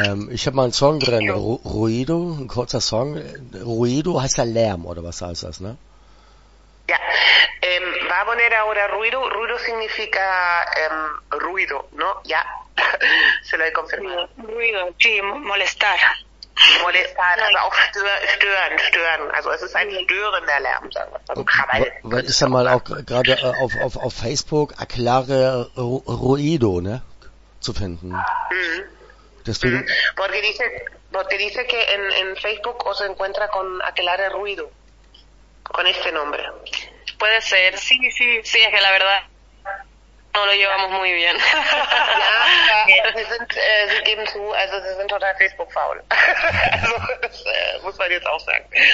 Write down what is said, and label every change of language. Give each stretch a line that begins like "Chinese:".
German: Ich habe mal einen Song drin, Ruido, ein kurzer Song. Ruido heißt ja Lärm, oder was heißt das, ne?
Spanish: Ja, va a poner ahora Ruido. Ruido significa Ruido, ¿no? Ya, se lo he confirmado. Ruido, sí, molestar.
German: Molestar, also auch stören. Also es ist ein störender Lärm, sagen wir mal. Ist ja mal auch gerade auf Facebook Aclare Ruido, ne, zu finden. Deswegen.
Spanish: Porque dice que en Facebook os encuentra con Aclare Ruido, con este nombre. Puede ser, sí, es que la verdad no lo llevamos muy bien.
German: Sie geben zu, also sie sind total Facebook-faul. Also muss man jetzt auch sagen.